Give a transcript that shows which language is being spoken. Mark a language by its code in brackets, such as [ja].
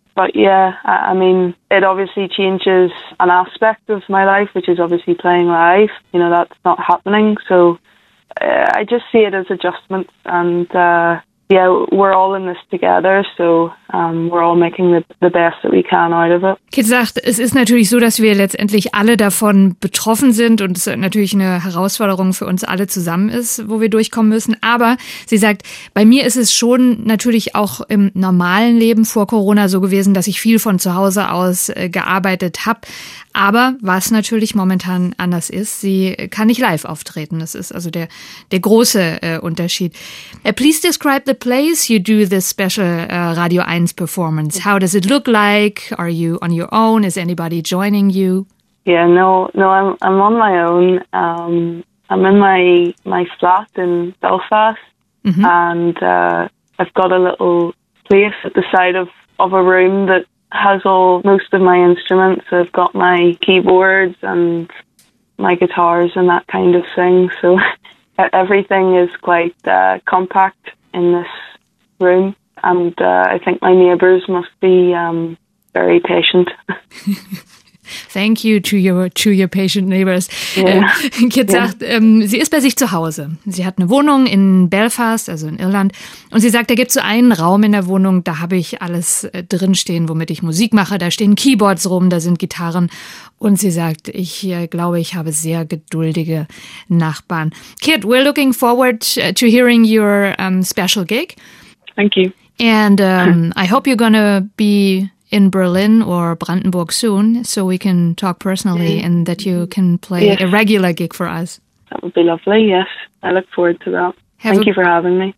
[en] But it obviously changes an aspect of my life, which is obviously playing live. You know, that's not happening. So I just see it as adjustments. And we're all in this together. So we're all making the best that we can out of it. [de] Kit sagt, es ist natürlich so, dass wir letztendlich alle davon betroffen sind und es natürlich eine Herausforderung für uns alle zusammen ist, wo wir durchkommen müssen. Aber sie sagt, bei mir ist es schon natürlich auch im normalen Leben vor Corona so gewesen, dass ich viel von zu Hause aus gearbeitet habe. Aber was natürlich momentan anders ist, sie kann nicht live auftreten. Das ist also der große Unterschied. [en] Please describe the place you do this special Radio 1 performance. How does it look like? Are you on your own? Is anybody joining you? Yeah, no, I'm on my own. I'm in my flat in Belfast. Mm-hmm. And I've got a little place at the side of a room that has most of my instruments. So I've got my keyboards and my guitars and that kind of thing. So everything is quite compact in this room. And I think my neighbors must be very patient. Thank you to your patient neighbors. Yeah. [de] Kit sagt, sie ist bei sich zu Hause. Sie hat eine Wohnung in Belfast, also in Irland. Und sie sagt, da gibt es so einen Raum in der Wohnung, da habe ich alles drinstehen, womit ich Musik mache. Da stehen Keyboards rum, da sind Gitarren. Und sie sagt, ich glaube, ich habe sehr geduldige Nachbarn. [en] Kit, we're looking forward to hearing your special gig. Thank you. And I hope you're going to be in Berlin or Brandenburg soon, so we can talk personally and that you can play a regular gig for us. That would be lovely, yes. I look forward to that. Thank you for having me.